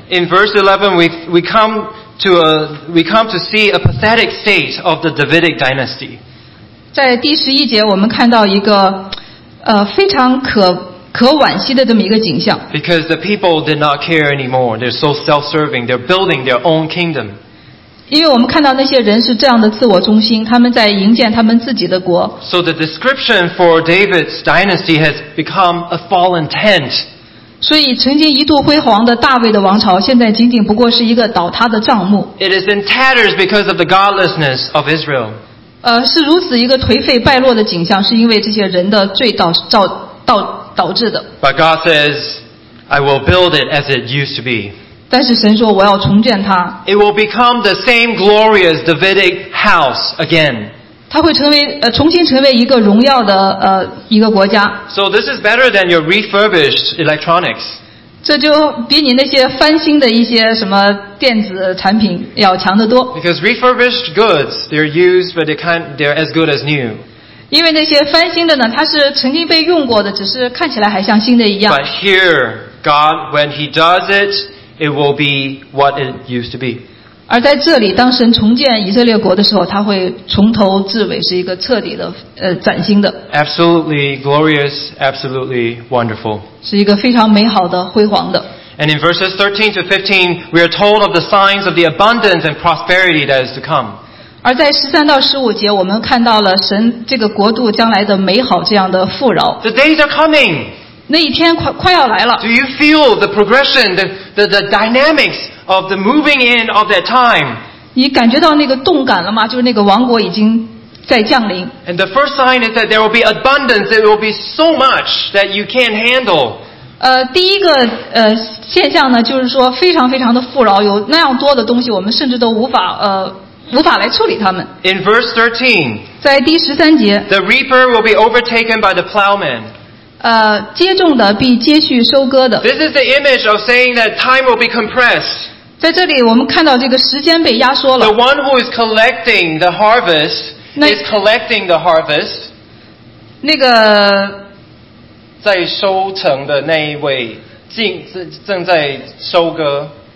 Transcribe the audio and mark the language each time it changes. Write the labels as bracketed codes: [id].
[en] In verse 11, we come to see a pathetic state of the Davidic dynasty. [zh] 在第十一节，我们看到一个非常可惋惜的这么一个景象。 [en] Because the people did not care anymore. They're so self-serving. They're building their own kingdom. [zh] 因为我们看到那些人是这样的自我中心，他们在营建他们自己的国。 [en] So the description for David's dynasty has become a fallen tent. [zh] 所以曾经一度辉煌的大卫的王朝，现在仅仅不过是一个倒塌的帐幕。 [en] It is in tatters because of the godlessness of Israel. [zh] 是如此一个颓废败落的景象，是因为这些人的罪导致的。 [en] But God says, I will build it as it used to be. [zh] 但是神说我要重建它。 [en] It will become the same glorious Davidic house again. [zh] 它会重新成为一个荣耀的一个国家。 [en] So this is better than your refurbished electronics. [zh] 这就比你那些翻新的一些什么电子产品要强得多。 [en] Because refurbished goods, they're used, but they're as good as new. [zh] 因为那些翻新的呢，它是曾经被用过的，只是看起来还像新的一样。 [en] But here, God, when He does it, it will be what it used to be. [zh] 而在这里，当神重建以色列国的时候，他会从头至尾是一个彻底的崭新的。 [en] Absolutely glorious, absolutely wonderful. [zh] 是一个非常美好的辉煌的。 [en] And in verses 13 to 15, we are told of the signs of the abundance and prosperity that is to come. [zh] 而在13到15节我们看到了神这个国度将来的美好这样的富饶。 [en] The days are coming. [zh] 那一天快要来了。 [en] Do you feel the progression, the dynamics of the moving in of that time? [zh] 你感觉到那个动感了吗？就是那个王国已经在降临。 [en] And the first sign is that there will be abundance. It will be so much that you can't handle. [zh] 第一个现象呢，就是说非常非常的富饶，有那样多的东西我们甚至都无法来处理他们。 [en] In verse 13, [zh] 在第十三节 [en] the reaper will be overtaken by the plowman. [zh] 接种的必接续收割的。 [en] This is the image of saying that time will be compressed. [zh] 在这里我们看到这个时间被压缩了。 [en] The one who is collecting the harvest is collecting the harvest. [zh] 那个在收成的那一位正在收割。